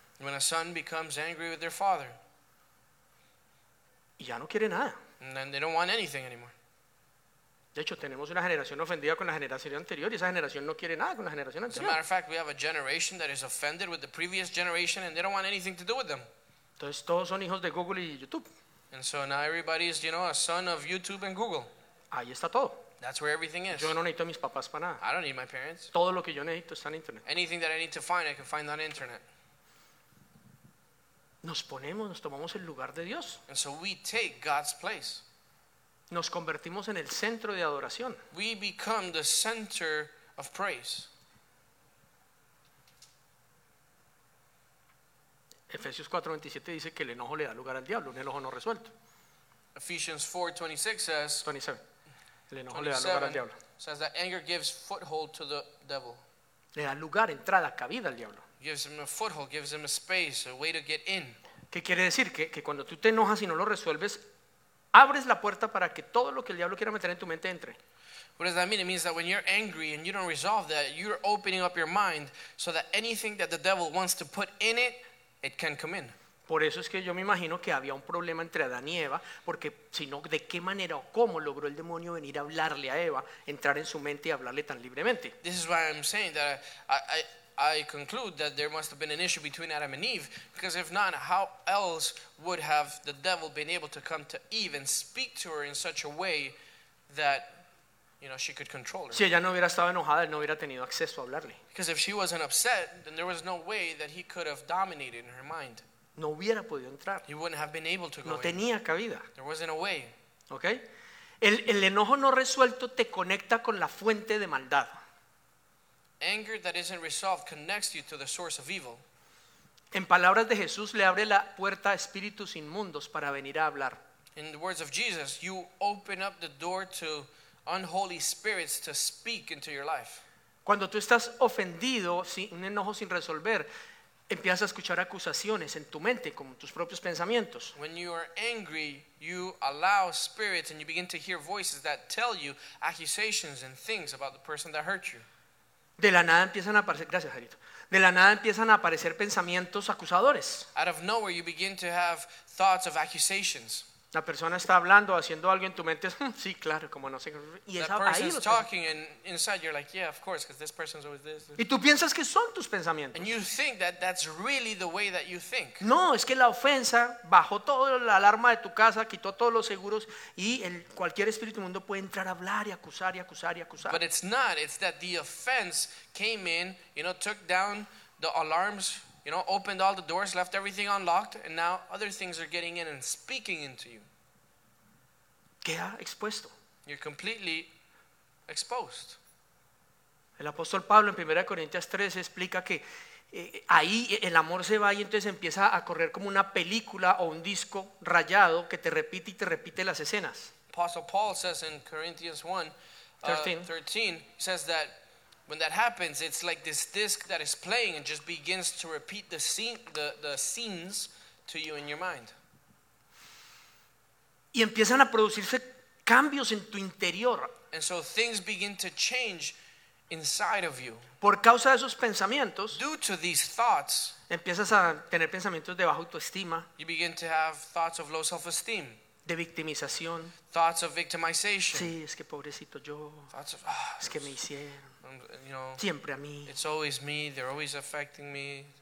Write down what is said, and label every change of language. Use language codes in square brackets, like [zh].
[en] When a son becomes angry with their father. [es] Y ya no quiere nada. [en] And then they don't want anything anymore. [es] De hecho, tenemos una generación ofendida con la generación anterior y esa generación no quiere nada con la generación anterior. [en] As a matter of fact, we have a generation that is offended with the previous generation and they don't want anything to do with them. [es] Entonces, todos son hijos de Google y YouTube. [en] And so now everybody is, you know, a son of YouTube and Google. [es] Ahí está todo. [en] That's where everything is. [es] Yo no necesito a mis papás para nada. [en] I don't need my parents. [es] Todo lo que yo necesito está en internet. [en] Anything that I need to find, I can find on internet. [es] Nos ponemos, nos tomamos el lugar de Dios. [en] And so we take God's place. [es] Nos convertimos en el centro de adoración. [en] We become the center of praise. [es] Efesios 4:27 dice que el enojo le da lugar al diablo, un enojo no resuelto. [en] Ephesians 4:26 says 27. [es] El enojo 27 le da lugar al diablo. [en] Says that anger gives foothold to the devil. [es] Le da lugar, entrada, cabida al diablo. [en] Gives him a foothold, gives him a space, a way to get in. [es] ¿Qué quiere decir? Que cuando tú te enojas y no lo resuelves, abres la puerta para que todo lo que el diablo quiera meter en tu mente entre. [en] What does that mean? It means that when you're angry and you don't resolve that, you're opening up your mind so that anything that the devil wants to put in it, it can come in. [es] Por eso es que yo me imagino que había un problema entre Adán y Eva, porque si no, ¿de qué manera o cómo logró el demonio venir a hablarle a Eva, entrar en su mente y hablarle tan libremente? [en] This is why I'm saying that I conclude that there must have been an issue between Adam and Eve, because if not, how else would have the devil been able to come to Eve and speak to her in such a way that, you know, she could control her? [es] Si ella no hubiera estado enojada, él no hubiera tenido acceso a hablarle. [en] Because if she wasn't upset, then there was no way that he could have dominated in her mind. [es] No hubiera podido entrar. [en] He wouldn't have been able to go [es] in. No tenía cabida. [en] There wasn't a way. Okay? [es] El enojo no resuelto te conecta con la fuente de maldad. [en] Anger that isn't resolved connects you to the source of evil. [es] En palabras de Jesús, le abre la puerta a espíritus inmundos para venir a hablar. [en] In the words of Jesus, you open up the door to unholy spirits to speak into your life. [es] Cuando tú estás ofendido, un enojo sin resolver, empiezas a escuchar acusaciones en tu mente, como tus propios pensamientos. [en] When you are angry, you allow spirits and you begin to hear voices that tell you accusations and things about the person that hurt you. [es] De la nada empiezan a aparecer, gracias, Jairito. De la nada empiezan a aparecer pensamientos acusadores. [en] Out of nowhere you begin to have thoughts of accusations. [es] La persona está hablando, haciendo algo en tu mente. Sí, claro, como no sé. Y esa ahí [en] lo talking and inside you're like, yeah, of course, because this person's always this. [es] Y tú piensas que son tus pensamientos. [en] And you think that that's really the way that you think. [es] No, es que la ofensa bajó toda la alarma de tu casa, quitó todos los seguros y cualquier espíritu mundo puede entrar a hablar y acusar y acusar y acusar. [en] But it's not. It's that the offense came in, you know, took down the alarms, you know, opened all the doors, left everything unlocked, and now other things are getting in and speaking into you. [es] Queda expuesto. [en] You're completely exposed. [es] El apóstol Pablo en 1 Corintios 13 explica que ahí el amor se va y entonces empieza a correr como una película o un disco rayado que te repite y te repite las escenas. [en] Apostle Paul says in Corinthians 1:13, says that when that happens, it's like this disc that is playing and just begins to repeat the scenes to you in your mind. [es] Y empiezan a producirse cambios en tu interior. [en] And so things begin to change inside of you. [es] Por causa de esos pensamientos, [en] due to these thoughts, [es] empiezas a tener pensamientos de baja autoestima. [en] You begin to have thoughts of low self-esteem. [es] De victimización. [en] Thoughts of victimization. [es] Sí, es que pobrecito yo. [en] Thoughts of, [es] es que me hicieron. [en] You know, [es] siempre a mí. [en] It's always me, they're always affecting me.